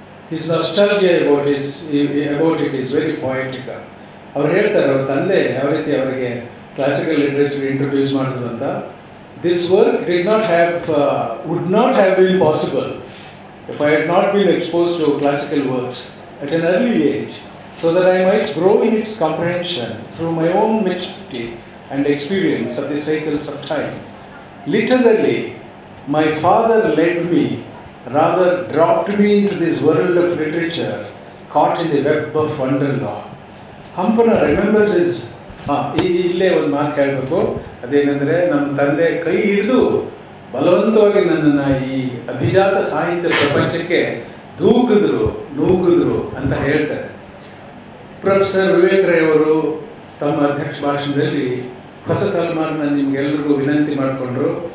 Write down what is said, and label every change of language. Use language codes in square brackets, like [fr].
[en] His nostalgia about it is very poetic. [kn] ಅವ್ರು ಹೇಳ್ತಾರೆ ಅವ್ರ ತಂದೆ ಯಾವ ರೀತಿ ಅವರಿಗೆ ಕ್ಲಾಸಿಕಲ್ ಲಿಟ್ರೇಚರ್ ಇಂಟ್ರೊಡ್ಯೂಸ್ ಮಾಡಿದ್ರು ಅಂತ. [en] This work did not have would not have been possible if I had not been expose to classical works at an early age. so that I might grow in its comprehension through my own maturity and experience of the cycles of time. Literally, my father led me, rather dropped me into this world of literature, caught in the web of wonderlaw. Hampana remembers his [kn] ಇಲ್ಲೇ ಒಂದು ಮಾತು ಹೇಳಬೇಕು. ಅದೇನೆಂದರೆ ನಮ್ಮ ತಂದೆ ಕೈ ಹಿಡಿದು ಬಲವಂತವಾಗಿ ನನ್ನನ್ನು ಈ ಅಭಿಜಾತ ಸಾಹಿತ್ಯ ಪ್ರಪಂಚಕ್ಕೆ ದೂಕಿದ್ರು ನೂಕಿದ್ರು ಅಂತ ಹೇಳ್ತಾರೆ. ಪ್ರೊಫೆಸರ್ ವಿವೇಕ್ ರೈ ಅವರು ತಮ್ಮ ಅಧ್ಯಕ್ಷ ಭಾಷಣದಲ್ಲಿ ಹೊಸ ತಲೆಮಾರನ್ನ ನಿಮಗೆಲ್ಲರಿಗೂ ವಿನಂತಿ ಮಾಡಿಕೊಂಡ್ರು.